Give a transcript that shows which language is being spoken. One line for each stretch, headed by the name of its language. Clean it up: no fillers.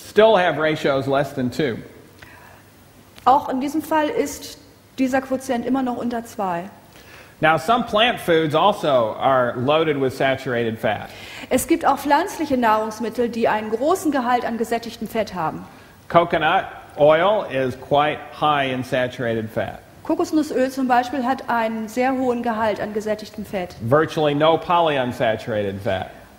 English: still have ratios less than 2.
German: Auch in diesem Fall ist dieser Quotient immer noch unter 2.
English: Now some plant foods also are loaded with saturated fat.
German: Es gibt auch pflanzliche Nahrungsmittel, die einen großen Gehalt an gesättigtem Fett haben.
English: Coconut oil is quite high in saturated fat.
German: Kokosnussöl zum Beispiel hat einen sehr hohen Gehalt an gesättigtem Fett.
English: Virtually no polyunsaturated fat.